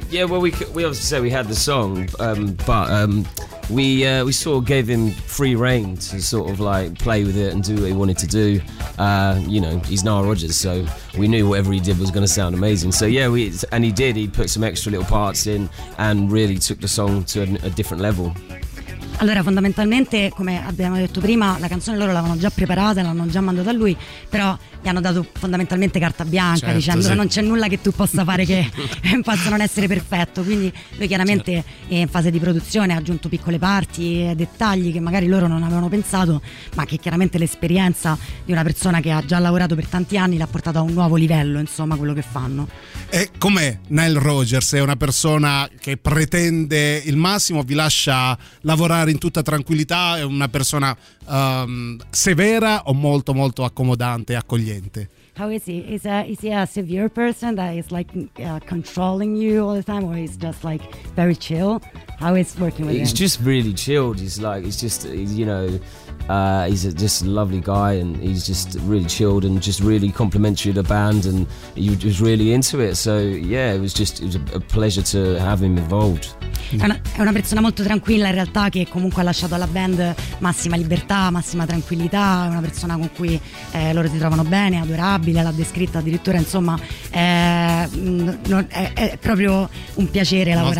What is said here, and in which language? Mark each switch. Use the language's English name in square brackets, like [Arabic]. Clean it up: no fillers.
[English] Yeah, well, we obviously said we had the song, but we sort of gave him free rein to sort of like play with it and do what he wanted to do. You know, he's Nile Rodgers, so we knew whatever he did was going to sound amazing. So yeah, he put some extra little parts in and really took the song to a different level. [Italian] Allora, fondamentalmente, come abbiamo detto prima, la canzone loro l'avevano già preparata, l'hanno già mandata a lui, però gli hanno dato fondamentalmente carta bianca, certo, dicendo sì, non c'è nulla che tu possa fare che possa non essere perfetto. Quindi lui chiaramente, certo, in fase di produzione ha aggiunto piccole parti, dettagli che magari loro non avevano pensato, ma che chiaramente l'esperienza di una persona che ha già lavorato per tanti anni l'ha portato a un nuovo livello, insomma, quello che fanno. E com'è Nile Rodgers? È una persona che pretende il massimo, vi lascia lavorare in tutta tranquillità? È una persona severa o molto molto accomodante e accogliente? [English] How is he? Is he a severe person that is like controlling you all the time, or is just like very chill? How is working with him? He's just really chilled. He's like, he's just, you know, he's a just lovely guy, and he's just really chilled and just really complimentary to the band, and he was really into it. So yeah, it was a pleasure to have him involved. [Italian] È una persona molto tranquilla in realtà, che comunque ha lasciato alla band massima libertà, massima tranquillità. È una persona con cui loro si trovano bene, adorabile, l'ha descritta addirittura, insomma, è proprio un piacere lavorare